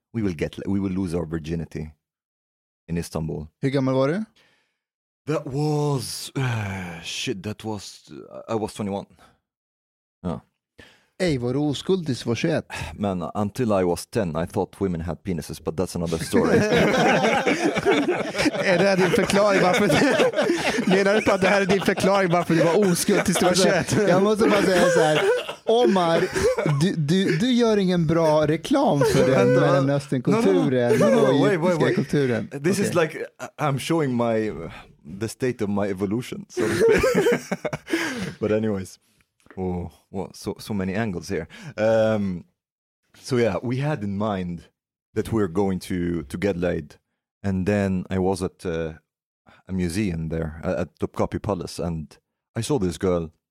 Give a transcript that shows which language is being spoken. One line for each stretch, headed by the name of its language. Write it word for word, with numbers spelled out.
English: We will get, we will lose our virginity in Istanbul.
Swedish: Hur gammal var du?
English: That was uh, shit. That was uh, I was twenty-one. Yeah.
Swedish: Ey, vår oskuld tills var tjugoett.
English: Man, until I was ten, I thought women had penises, but that's another story.
Swedish: Är det din förklaring varför du... Menar du på att det här är din förklaring varför du var oskuld tills du var tjugoett? Jag måste bara säga så här. Omar, du, du, du gör ingen bra reklam för den Mellanösternkulturen
English: no, no, no. no, no, no,
Swedish: och egyptiska kulturen.
English: This okay. is like, I'm showing my, the state of my evolution. So but anyways, oh, well, so, so many angles here. Um, so yeah, we had in mind that we we're going to, to get laid. And then I was at uh, a museum there, at Topkapi Palace, and I saw this girl.